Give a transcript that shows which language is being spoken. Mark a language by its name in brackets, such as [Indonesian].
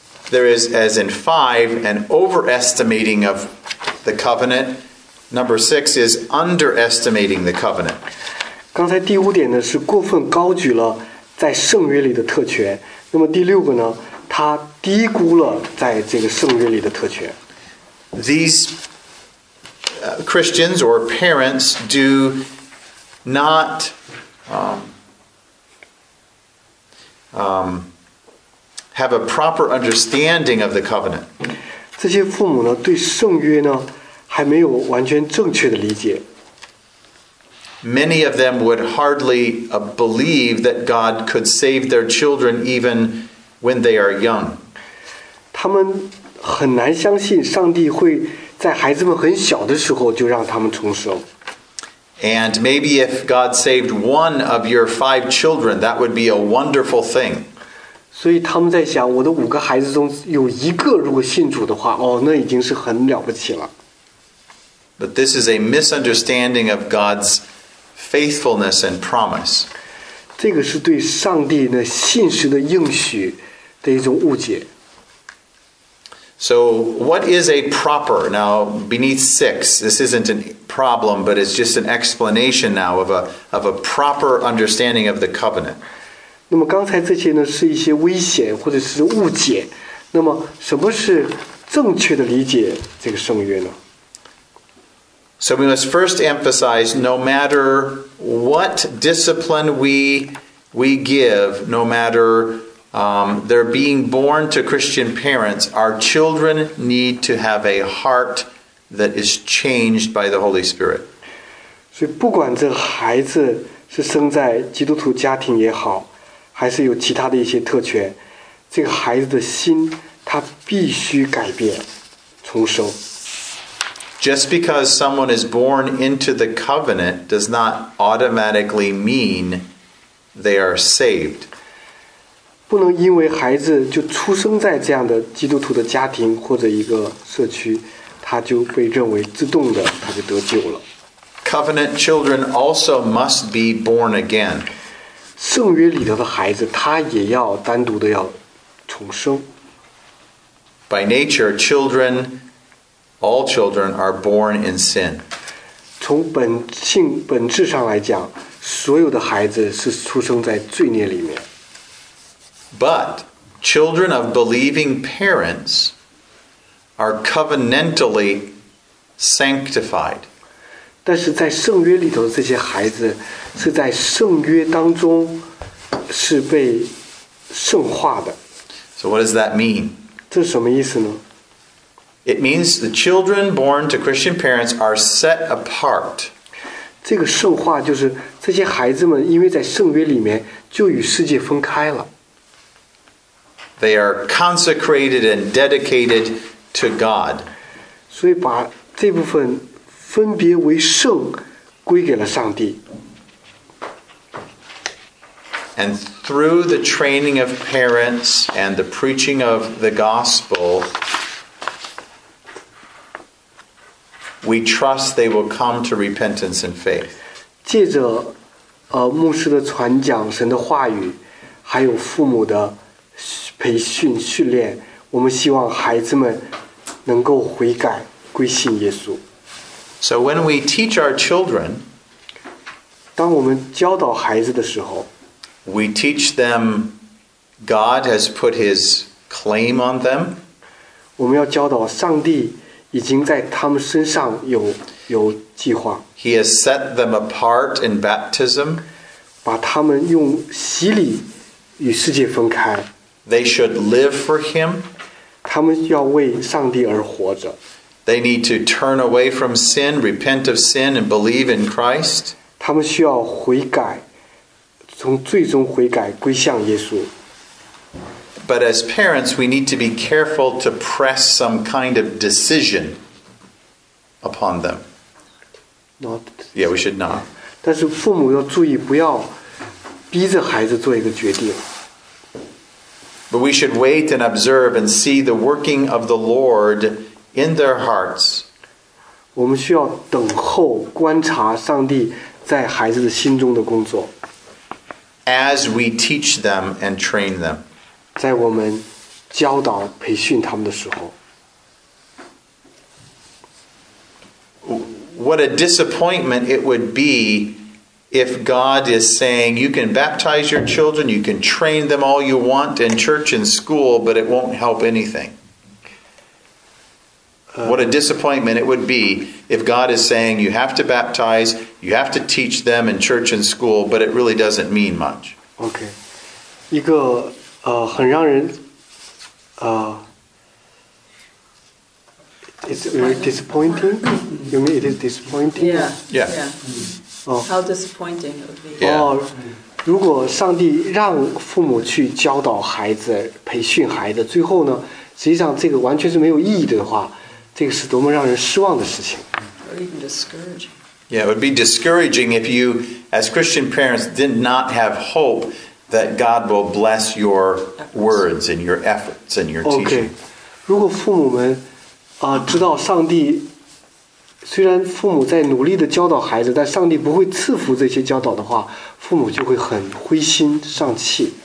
[English] There is, as in five, an overestimating of the covenant. Number six is underestimating the covenant. [Chinese] 刚才第五点呢是过分高举了在圣约里的特权。那么第六个呢，他低估了在这个圣约里的特权。 [English] These Christians or parents do not have a proper understanding of the covenant. [Chinese] 这些父母呢，对圣约呢，还没有完全正确的理解。 [English] Many of them would hardly believe that God could save their children even when they are young. [Chinese] 他们很难相信上帝会在孩子们很小的时候就让他们重生。 [English] And maybe if God saved one of your five children, that would be a wonderful thing. [Chinese] 所以他们在想，我的五个孩子中有一个如果信主的话，哦，那已经是很了不起了。 [English] But this is a misunderstanding of God's faithfulness and promise. [Chinese] 这个是对上帝的信实的应许的一种误解。 [English] So what is a proper? Now, beneath six, this isn't a problem, but it's just an explanation now of a proper understanding of the covenant. [Chinese] 那么刚才这些呢是一些危险或者是误解，那么什么是正确的理解这个圣约呢？ [English] So we must first emphasize, no matter what discipline we give, no matter they're being born to Christian parents, our children need to have a heart that is changed by the Holy Spirit. [Chinese] 所以不管这孩子是生在基督徒家庭也好，还是有其他的一些特权，这个孩子的心他必须改变重生。 [English] Just because someone is born into the covenant does not automatically mean they are saved. [Chinese] 不能因为孩子就出生在这样的基督徒的家庭或者一个社区，他就被认为自动的他就得救了。 [English] Covenant children also must be born again. [Chinese] 圣约里头的孩子，他也要单独的要重生。 [English] By nature, children, all children are born in sin. [Chinese] 从本性本质上来讲，所有的孩子是出生在罪孽里面。 [English] But children of believing parents are covenantally sanctified. [Chinese] 但是在圣约里头的这些孩子，是在圣约当中。是被圣化的。 [English] So what does that mean? [Chinese] 这是什么意思呢？ [English] It means the children born to Christian parents are set apart. [Chinese] 这个圣化就是这些孩子们因为在圣约里面就与世界分开了。 [English] They are consecrated and dedicated to God. [Chinese] 所以把这部分分别为圣归给了上帝。 [English] And through the training of parents and the preaching of the gospel, we trust they will come to repentance and faith. [Chinese] 借着牧师的传讲、神的话语，还有父母的培训训练，我们希望孩子们能够悔改归信耶稣。 [English] So when we teach our children, [Chinese] 当我们教导孩子的时候, [English] we teach them God has put his claim on them. [Chinese] 我们要教导上帝已经在他们身上有计划。 [English] He has set them apart in baptism. [Chinese] 把他们用洗礼与世界分开。 [English] They should live for him. [Chinese] 他们要为上帝而活着。 [English] They need to turn away from sin, repent of sin, and believe in Christ. [Chinese] 他们需要悔改，从最终悔改归向耶稣。 [English] But as parents, we need to be careful to press some kind of decision upon them. Not. Yeah, we should not. [Chinese] 但是父母要注意，不要逼着孩子做一个决定。 [English] But we should wait and observe and see the working of the Lord in their hearts. [Chinese] 我们需要等候观察上帝在孩子的心中的工作。 [English] As we teach them and train them. [Chinese] 在我们教导培训他们的时候 [English] What a disappointment it would be if God is saying you can baptize your children, you can train them all you want in church and school, but it won't help anything. What a disappointment it would be if God is saying you have to baptize, you have to teach them in church and school, but it really doesn't mean much. Okay. [Chinese] 一个很让人 [English] it's very disappointing. You mean it is disappointing? Yeah. How disappointing it would be. Yeah. [Chinese] 如果上帝让父母去教导孩子培训孩子最后呢实际上这个完全是没有意义的话这个是多么让人失望的事情。 [English] Or even discouraging. Yeah, it would be discouraging if you, as Christian parents, did not have hope. That God will bless your words and your efforts and your teaching. [Chinese] Okay, 如果父母们啊知道上帝，虽然父母在努力的教导孩子，但上帝不会赐福这些教导的话，父母就会很灰心丧气。